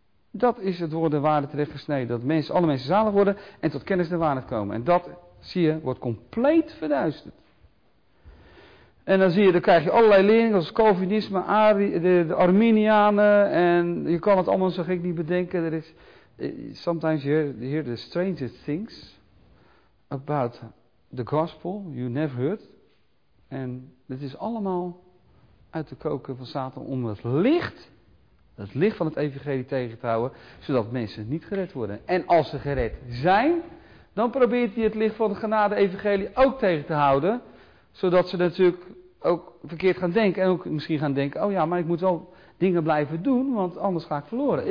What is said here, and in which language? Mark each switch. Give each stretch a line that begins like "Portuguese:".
Dutch: Dat is het woord de waarheid terecht gesneden. Dat mensen, alle mensen zalig worden en tot kennis de waarheid komen. En dat, zie je, wordt compleet verduisterd. En dan zie je, dan krijg je allerlei leerlingen als Calvinisme, de Arminianen. En je kan het allemaal zo gek niet bedenken. Er is
English: sometimes you hear the strangest things about the gospel you never heard.
Dutch: En het is allemaal uit de koker van Satan om het licht. Het licht van het evangelie tegen te houden, zodat mensen niet gered worden. En als ze gered zijn, dan probeert hij het licht van de genade evangelie ook tegen te houden. Zodat ze natuurlijk ook verkeerd gaan denken. En ook misschien gaan denken, oh ja, maar ik moet wel dingen blijven doen, want anders ga ik verloren.